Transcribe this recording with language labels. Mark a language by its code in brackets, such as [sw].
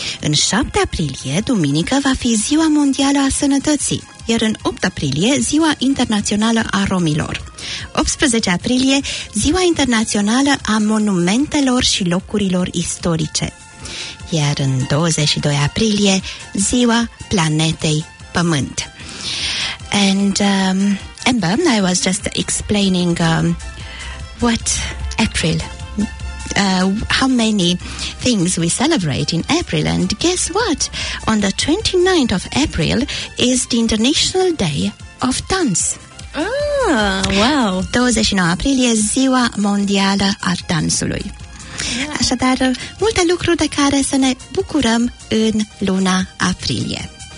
[ro] În 7 aprilie, duminică, va fi ziua mondială a sănătății, iar în 8 aprilie, ziua internațională a romilor. 18 aprilie, ziua internațională a monumentelor și locurilor istorice. Iar în 22 aprilie, ziua planetei Pământ. [en] And Amber, I was just explaining what April, how many things we celebrate in April. And guess what? On the 29th of April is the International Day of Dance. Ah, wow. [ro] 29 aprilie, ziua mondială a dansului. [en] Yeah. [ro] Așadar, multe lucruri de care să ne bucurăm în luna aprilie.